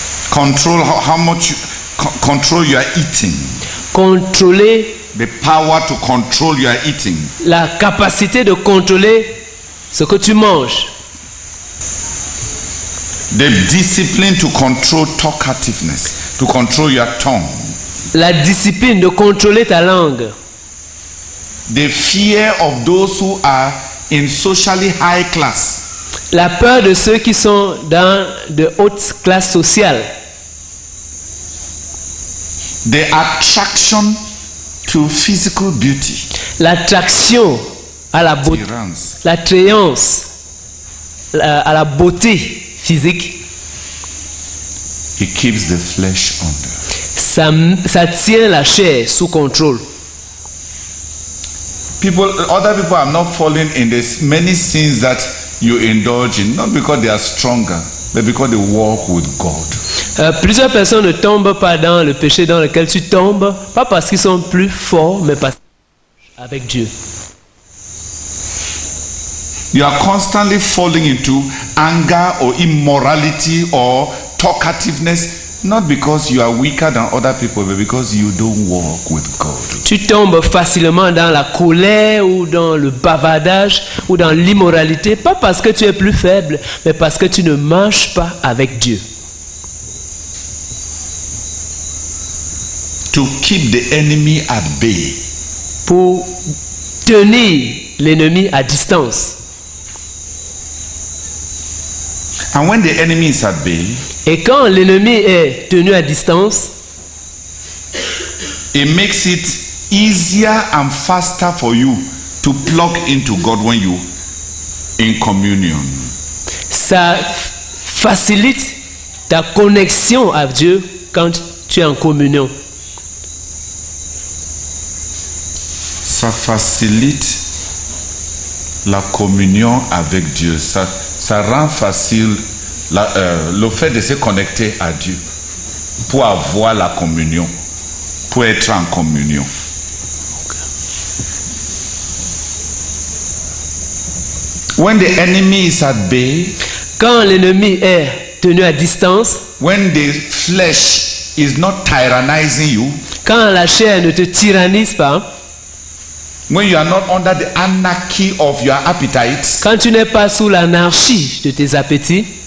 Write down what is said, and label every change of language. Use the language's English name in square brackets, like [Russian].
[English] Control how much you control your eating. [French] Contrôler [English] the power to control your eating. [French] La capacité de contrôler ce que tu manges. [English] The discipline to control talkativeness, to control your tongue. [French] La discipline de contrôler ta langue. [English] The fear of those who are in socially high class. [French] La peur de ceux qui sont dans de hautes classes sociales. [English] The attraction to physical beauty. [French] L'attraction à la beauté. L'attrayance à la beauté physique. [English] It keeps the flesh under. [French] Ça tient la chair sous contrôle. [English] Other people are not falling in the many sins that you indulge in, not because they are stronger, but because they walk with God. [French] Plusieurs personnes ne tombent pas dans le péché dans lequel tu tombes, pas parce qu'ils sont plus forts, mais parce avec Dieu. [English] You are constantly falling into anger or immorality or talkativeness. Not because you are weaker than other people, but because you don't walk with God. [French] Tu tombes facilement dans la colère ou dans le bavardage ou dans l'immoralité, pas parce que tu es plus faible, mais parce que tu ne marches pas avec Dieu. [English] To keep the enemy at bay. [French] Pour tenir l'ennemi à distance. [English] And when the enemy is at bay, [French] et quand l'ennemi est tenu à distance, [English] it makes it easier and faster for you to plug into God when you in communion. [French] Ça facilite ta connexion à Dieu quand tu es en communion. Ça facilite la communion avec Dieu. Ça ça rend facile la, le fait de se connecter à Dieu pour avoir la communion, pour être en communion. [English] When the enemy is at bay, [French] quand l'ennemi est tenu à distance, [English] when the flesh is not tyrannizing you, [French] quand la chair ne te tyrannise pas, [English] when you are not under the anarchy of your appetites, [French] quand tu n'es pas sous l'anarchie de tes appétits,